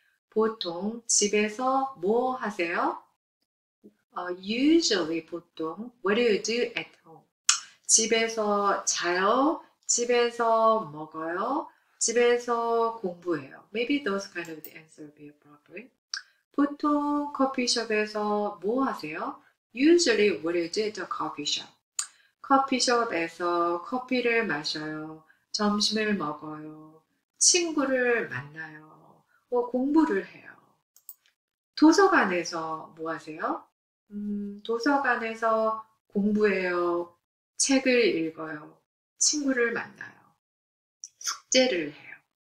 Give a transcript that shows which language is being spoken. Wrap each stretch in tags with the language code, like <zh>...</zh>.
<ko>보통 집에서 뭐 하세요?</ko> <en>Usually 보통 what do you do at home?</en> <ko>집에서 자요? 집에서 먹어요? 집에서 공부해요.</ko> <en>Maybe those kind of the answer be appropriate.</en> <ko>보통 커피숍에서 뭐 하세요?</ko> <en>Usually, what do you do at a coffee shop?</en> <ko>커피숍에서 커피를 마셔요. 점심을 먹어요. 친구를 만나요. 공부를 해요. 도서관에서 뭐 하세요? 도서관에서 공부해요. 책을 읽어요. 친구를 만나요. 숙제를 해요.</ko>